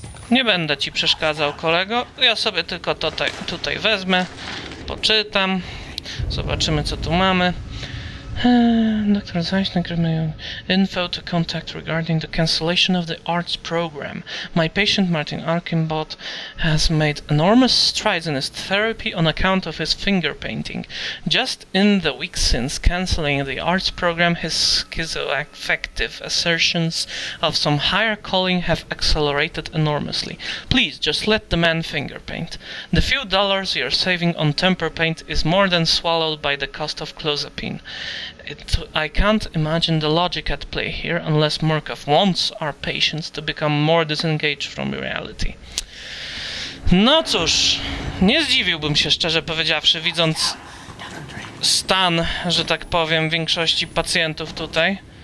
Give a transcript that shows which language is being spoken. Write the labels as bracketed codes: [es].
[pl] Nie będę ci przeszkadzał, kolego. Ja sobie tylko to tutaj wezmę. Poczytam. Zobaczymy, co tu mamy. Dr. [en] Zeissner gave me info to contact regarding the cancellation of the arts program. My patient Martin Archimbaud has made enormous strides in his therapy on account of his finger painting. Just in the week since cancelling the arts program, his schizoaffective assertions of some higher calling have accelerated enormously. Please, just let the man finger paint. The few dollars you're saving on temper paint is more than swallowed by the cost of clozapine. I can't imagine the logic at play here unless Murkoff wants our patients to become more disengaged from reality. [pl] No cóż, nie zdziwiłbym się, szczerze powiedziawszy, widząc stan, że tak powiem, większości pacjentów tutaj.